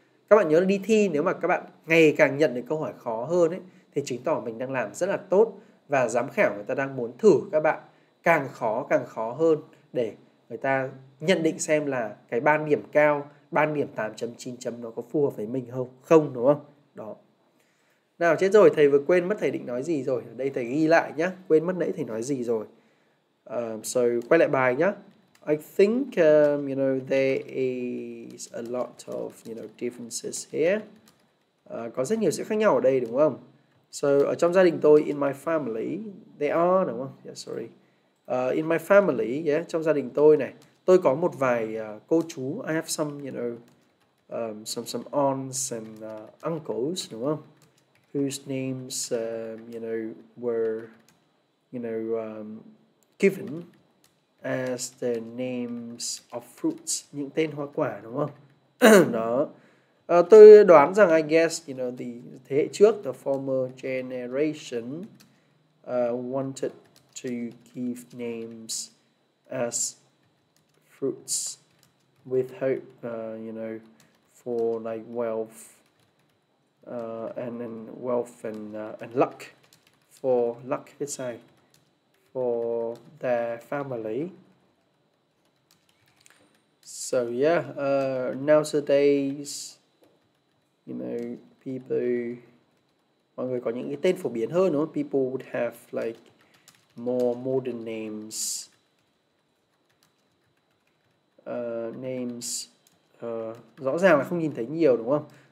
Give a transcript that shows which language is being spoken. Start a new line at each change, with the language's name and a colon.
Vietnamese: Các bạn nhớ là đi thi, nếu mà các bạn ngày càng nhận được câu hỏi khó hơn ấy, thì chứng tỏ mình đang làm rất là tốt và giám khảo người ta đang muốn thử các bạn càng khó hơn để người ta nhận định xem là cái ban điểm cao, ban điểm 8.9 chấm nó có phù hợp với mình không? Không, đúng không? Đó. Nào, chết rồi, thầy vừa quên mất thầy định nói gì rồi. Đây thầy ghi lại nhá, quên mất nãy thầy nói gì rồi. So quay lại bài nhá.
English: I think you know there is a lot of you know differences here.
Vietnamese: Có rất nhiều sự khác nhau ở đây đúng không?
English: So
Vietnamese: ở trong gia đình tôi,
English: in my family they are,
Vietnamese: đúng không?
English: Yeah, sorry. In my family, yeah,
Vietnamese: trong gia đình tôi này, tôi có một vài cô chú.
English: I have some you know some aunts and uncles,
Vietnamese: đúng không?
English: Whose names you know were you know given as the names of fruits,
Vietnamese: những tên hoa quả, đúng không? Đó. Tôi đoán rằng,
English: I guess, you know, the
Vietnamese: thế hệ trước,
English: the former generation wanted to give names as fruits with hope, you know, for like wealth and wealth and luck, for luck, let's say. For their family. So yeah, nowadays, you know, people,
Vietnamese: mọi người có những cái tên phổ biến hơn, đúng?
English: People would have like more modern names, names
Vietnamese: rõ ràng là không nhìn thấy nhiều, đúng không?